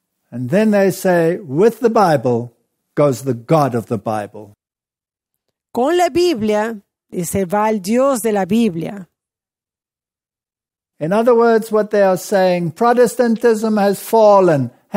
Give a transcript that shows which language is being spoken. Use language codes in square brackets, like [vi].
[en] And then they say, with the Bible goes the God of the Bible. [es] Con la Biblia, dice, va el Dios de la Biblia. [en] In other words, what they are saying, Protestantism has fallen.